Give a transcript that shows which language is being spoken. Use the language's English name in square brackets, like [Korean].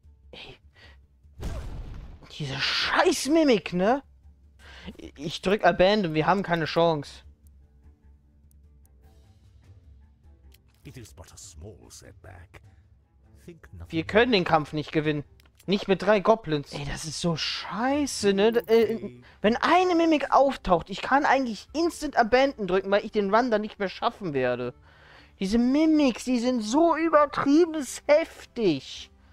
[German] Ey. Diese scheiß Mimik, ne? Ich drück Abandon, wir haben keine Chance. [English] It is but a small setback. Think nothing. [German] Wir können den Kampf nicht gewinnen. Nicht mit drei Goblins. Ey, das ist so scheiße, ne? Wenn eine Mimik auftaucht, ich kann eigentlich instant Abandon drücken, weil ich den Run dann nicht mehr schaffen werde. Diese Mimics, die sind so übertrieben heftig.